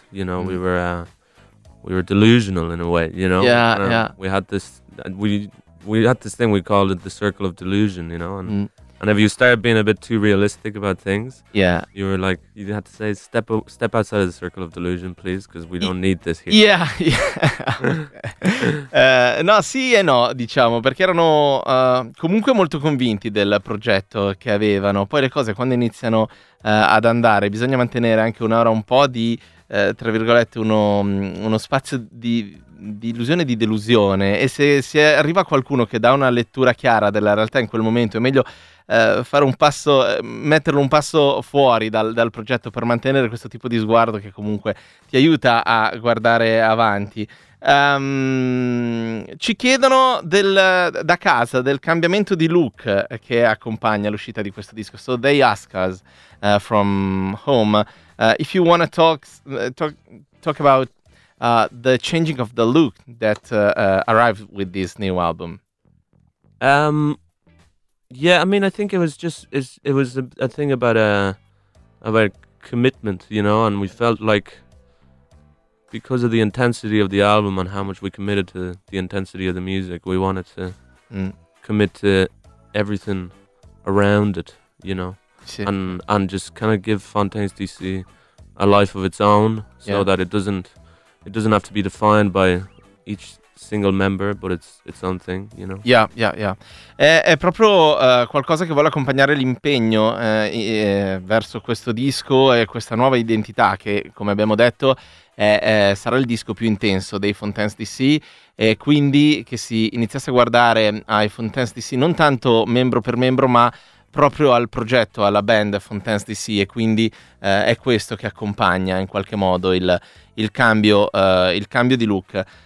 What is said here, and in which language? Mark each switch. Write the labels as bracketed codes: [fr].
[en] You know, we were delusional in a way. You know, we had this. We had this thing. We called it the circle of delusion. You know, and if you started being a bit too realistic about things, you were like, you had to say, step outside of the circle of delusion, please, because we don't need this here. Yeah. [it] No, sì e no, diciamo, perché erano comunque molto convinti del progetto che avevano. Poi le cose, quando iniziano ad andare, bisogna mantenere anche un'ora un po' di, tra virgolette, uno spazio di illusione e di delusione. E se arriva qualcuno che dà una lettura chiara della realtà in quel momento, è meglio fare un passo, metterlo un passo fuori dal progetto per mantenere questo tipo di sguardo che comunque ti aiuta a guardare avanti. Ci chiedono da casa del cambiamento di look che accompagna l'uscita di questo disco. [en] So they ask us from home if you want to talk about the changing of the look that arrived with this new album? Yeah, I mean, I think it was just it was a thing about a commitment, you know, and we felt like because of the intensity of the album and how much we committed to the intensity of the music, we wanted to commit to everything around it, you know, sure. and just kind of give Fontaines DC a life of its own, so that it doesn't have to be defined by each single member, but it's something, you know. Yeah. [it] È proprio qualcosa che vuole accompagnare l'impegno verso questo disco e questa nuova identità che, come abbiamo detto, sarà il disco più intenso dei Fontaines DC. E quindi che si iniziasse a guardare ai Fontaines DC non tanto membro per membro, ma proprio al progetto, alla band Fontaines DC, e quindi è questo che accompagna in qualche modo il cambio di look.